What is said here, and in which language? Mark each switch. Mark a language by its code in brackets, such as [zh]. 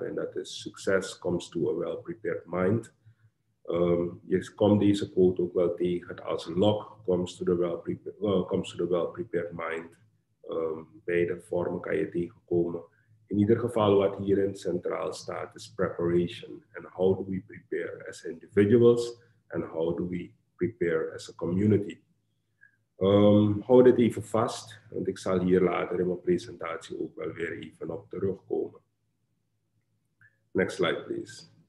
[nl] En dat is succes [en] comes to a well-prepared mind. [nl] Je komt deze quote ook wel tegen als [en] luck comes to the well-prepared mind. [nl] Beide vormen kan je tegenkomen. In ieder geval wat hierin centraal staat is preparation. [en] And how do we prepare as individuals? And how do we prepare as a community? [nl] Hou dit even vast, want ik zal hier later in mijn presentatie ook wel weer even op terugkomen. [en] Next slide, please.